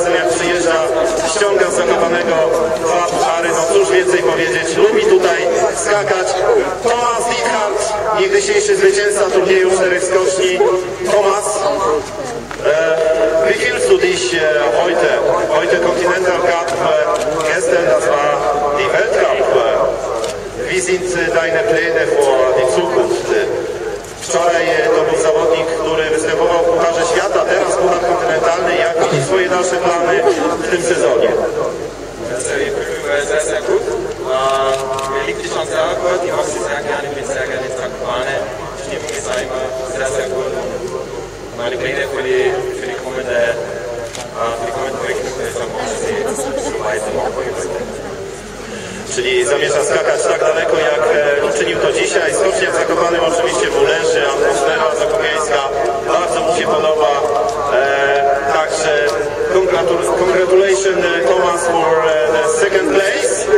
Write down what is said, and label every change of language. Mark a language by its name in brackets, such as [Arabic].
[Polish] tego Pucharzy, no cóż więcej powiedzieć, lubi tutaj skakać. Thomas Lidhardt, niegdysiejszy zwycięzca turnieju 4 skoczni. [German] Thomas, wie willst du dich heute? Heute Continental Cup, gestern das war die Weltcup. Wie sind deine Pläne für die Zukunft? [Polish] Wczoraj to był zawodnik, który występował w Pucharze Świata, teraz Puchar Kontynentalny. Jak widzi swoje dalsze plany w tym sezonie? [German] Sehr, sehr gut. Mir liegt die Chance sehr gut. Ich mache sie sehr gerne, bin sehr gerne in Zakopane. Die Stimmung ist auch immer sehr, sehr gut. Und meine Pläne für die kommende Rechnung ist auch, dass sie so weit im Aufbau gehen. [Polish] Czyli zamierza skakać tak daleko, jak uczynił to dzisiaj. Skocznia w Zakopanem oczywiście w Ulęży, atmosfera zakopiańska bardzo mu się podoba. Także [English] congratulations Thomas for the second place.